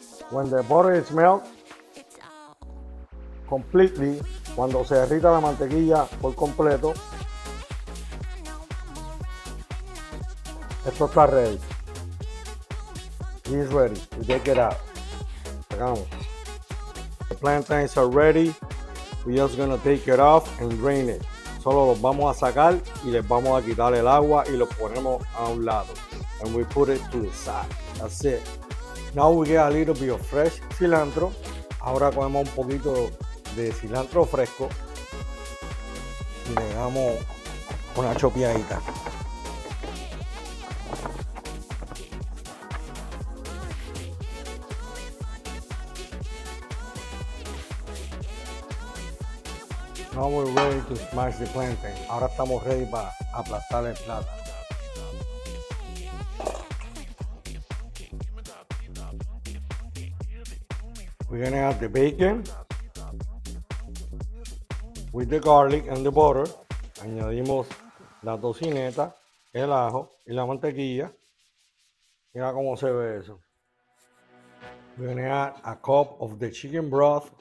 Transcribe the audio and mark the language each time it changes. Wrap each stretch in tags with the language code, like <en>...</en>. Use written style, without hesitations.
<en>When the butter is melt completely,</en> <es>cuando se derrita la mantequilla por completo, esto está</es> <en>ready. It's ready. We take it out.</en> <es>Sacamos.</es> <en>The plantains are ready. We're just gonna take it off and drain it.</en> <es>Solo los vamos a sacar y les vamos a quitar el agua y los ponemos a un lado.</es> <en>And we put it to the side. That's it. Now we get a little bit of fresh cilantro.</en> <es>Ahora cogemos un poquito de cilantro fresco y le damos una chopeadita.</es> <en>Now we're ready to smash the plantain.</en> <es>Ahora estamos ready para aplastar el plátano.</es> <en>We're gonna add the bacon with the garlic and the butter.</en> <es>Añadimos la tocineta, el ajo y la mantequilla. Mira cómo se ve eso.</es> <en>We're gonna add a cup of the chicken broth.</en>